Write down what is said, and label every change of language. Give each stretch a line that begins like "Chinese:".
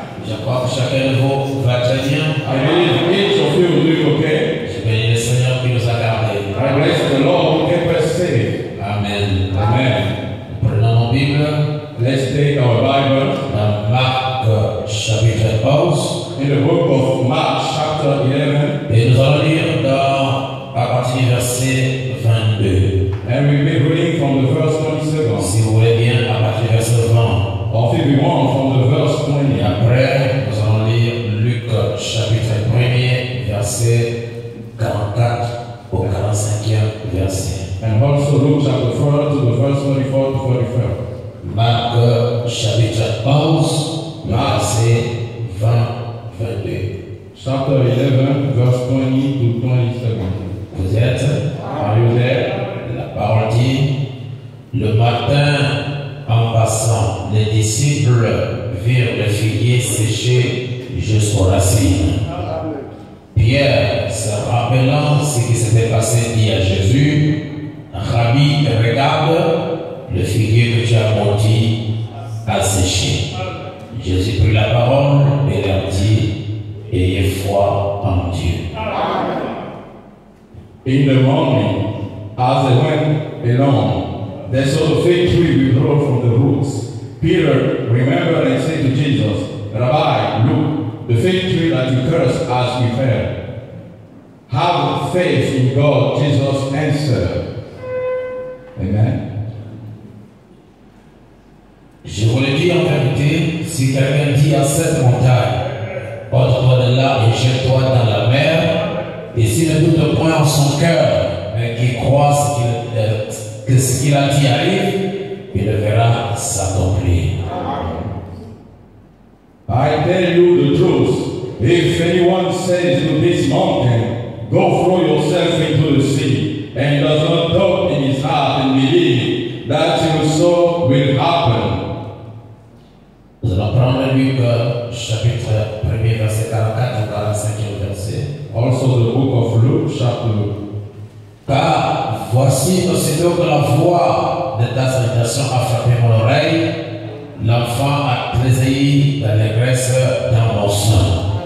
French: Je crois que chacun de vous va très bien.
English: I believe each of you will do okay.
French: Je bénis le Seigneur qui nous a gardé.
English: I bless the Lord who kept us safe.
French: Amen.
English: Amen.
French: Prenons nos Bibles.
English: Let's take our Bible.
French: Dans Marc chapitre 11.
English: In the book of Mark chapter 11.
French: Et nous allons lire dans à partir du verset 22.
English: And we'll be reading from the verse 27.
French: Si vous voulez bien, à partir du verset 20.
English: Or if we want from the verse 20.
French: Et après, nous allons lire Luc chapitre 1, verset 44 au 45e verset.
English: And also Luke chapter 4 to the verse 24 to 45.
French: Marc chapitre 11, verset 20, 22.
English: Chapter 11, verse 20 to 27.
French: Vous êtes?
English: Are you there?
French: La parole dit, le matin, en passant, les disciples virent le figuier séché jusqu'aux racines. Pierre, se rappelant ce qui s'était passé, dit à Jésus, Rabbi, regarde, le figuier que tu as maudit a séché. Jésus prit la parole et leur dit, ayez foi en Dieu.
English: In the morning, as they went along, they saw the fig tree withdrawn from the roots. Peter remembered and said to Jesus, Rabbi, look, the fig tree that you cursed has withered. Have faith in God, Jesus answered. Amen.
French: Je vous le dis en vérité, si quelqu'un dit à cette montagne, ôte-toi de là et jette-toi dans la mer, et s'il ne doute point en son cœur, mais qu'il croit que ce qu'il a dit arrive, il le verra s'accomplir.
English: I tell you the truth. If anyone says to this mountain, go throw yourself into the sea, and does not doubt in his heart and believe that even so will happen.
French: Nous allons prendre Luc chapitre 1, verset 44 et 45 verset.
English: Also the book of Luke, chapter 2.
French: Car voici aussitôt que la voix de ta salutation a frappé mon oreille, l'enfant a tressailli d'allégresse dans mon sein.